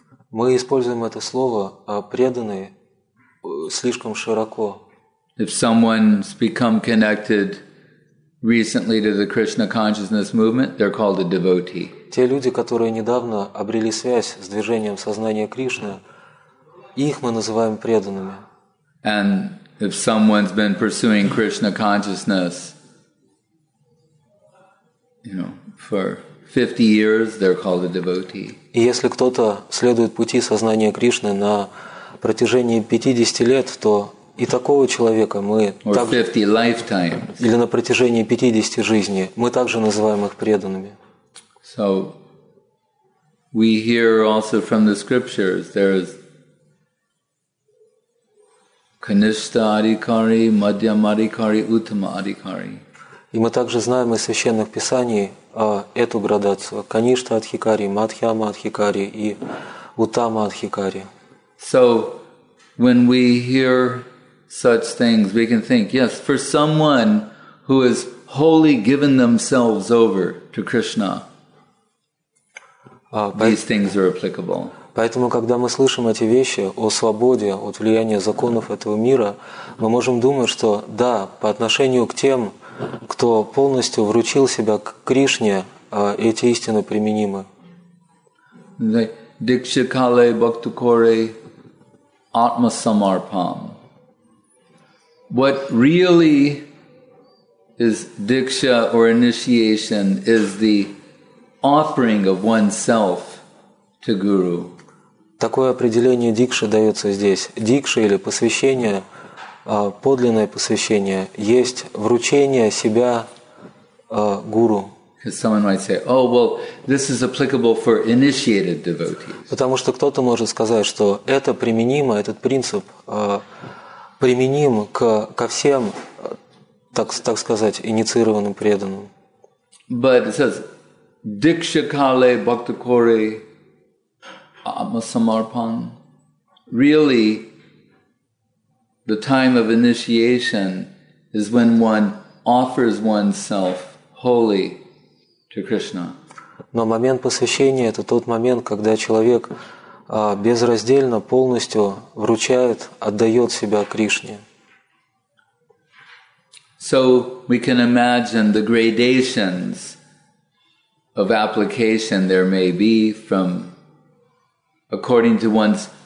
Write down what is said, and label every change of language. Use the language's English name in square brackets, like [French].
[Russian] Мы используем это слово преданный слишком широко. [English] If someone's become connected recently to the Krishna consciousness movement, they're called a devotee. [Russian] Те люди, которые недавно обрели связь с движением сознания Кришны, их мы называем преданными. [English] And if someone's been pursuing Krishna consciousness, you know, for 50 years, they're called a devotee. [Russian] И если кто-то следует пути сознания Кришны на протяжении 50 лет, то и такого человека мы также, [English] 50 lifetimes. [Russian] Или на протяжении 50 жизней, мы также называем их преданными. [English] So, we hear also from the scriptures, there is Kanishta Adhikari, Madhyam Adhikari, Uttama Adhikari. [Russian] И мы также знаем из священных писаний эту градацию: Каништа Адхикари, Мадхьяма Адхикари и Утама Адхикари. [English] So, when we hear such things, we can think, yes, for someone who has wholly given themselves over to Krishna, these things are applicable. [Russian] Поэтому, когда мы слышим эти вещи о свободе от влияния законов этого мира, мы можем думать, что да, по отношению к тем, кто полностью вручил себя к Кришне, эти истины применимы. [Bangla] Дикшикале бхактукоре атмасамарпам. [English] What really is diksha or initiation is the offering of oneself to Guru. [Russian] Такое определение дикши дается здесь. Дикша или посвящение, подлинное посвящение, есть вручение себя гуру. [English] Someone might say, "Oh, well, this is applicable for initiated devotees." [Russian] Потому что кто-то может сказать, что это применимо, этот принцип применим ко всем, так сказать, инициированным преданным. [English] But it says, [Bangla] "Diksha kale bhaktakore amasamarpan." [English] Really, the time of initiation is when one offers oneself wholly to Krishna. [Russian] Но момент посвящения — это тот момент, когда человек безраздельно, полностью вручает, отдает себя Кришне. [English] So we can imagine the gradations of application there may be from according to one's